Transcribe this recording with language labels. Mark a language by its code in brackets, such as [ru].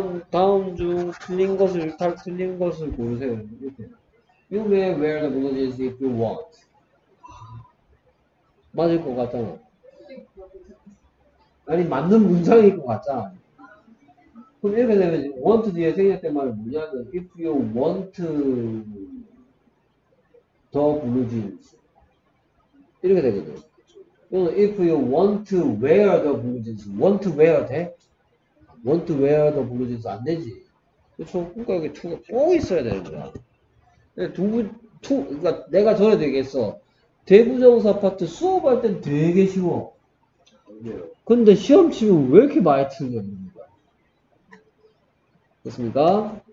[ko] 다음 중 틀린 것을 딱 틀린 것을 고르세요. [en] You may wear the blue jeans if you want. [ko] 맞을 것 같잖아. 아니 맞는 문장일 것 같잖아. 그럼 이렇게 되면 want 뒤에 생략된 말은 뭐냐면 [en] if you want the blue jeans [ko] 이렇게 되거든. [en] If you want to wear the blue jeans, want to wear [ko] 돼? [en] Want to wear the blue jeans [ko] 안 되지. 그쵸? 그러니까 여기 2가 꼭 있어야 되는 거야. 그러니까 내가 전에 얘기했어. 대부정사 파트 수업할 땐 되게 쉬워. 근데 시험 치면 왜 이렇게 많이 틀렸는 거야? 됐습니까?